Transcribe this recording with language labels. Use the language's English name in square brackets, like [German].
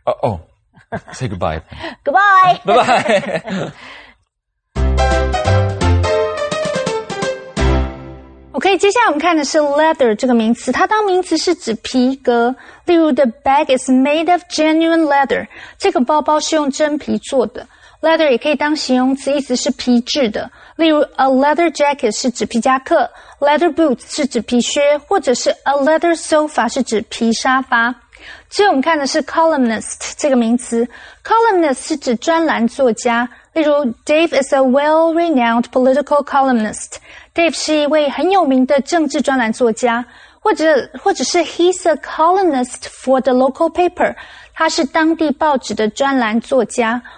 [English] Oh, say goodbye. Goodbye! Bye-bye! [Chinese] Okay, 接下来我们看的是 leather 这个名词，它当名词是指皮革。例如 [English] the bag is made of genuine leather. [Chinese] 这个包包是用真皮做的。 Leather 也可以当形容词，意思是皮质的。例如 , [English] a leather jacket [Chinese] 是指皮夹克 , [English] leather boots [Chinese] 是指皮靴，或者是 [English] a leather sofa [Chinese] 是指皮沙发。接着我们看的是 columnist 这个名词。Columnist 是指专栏作家。例如 [English] ,Dave is a well-renowned political columnist. [Chinese] Dave 是一位很有名的政治专栏作家。或者是 [English] he's a columnist for the local paper. [Chinese] 他是当地报纸的专栏作家。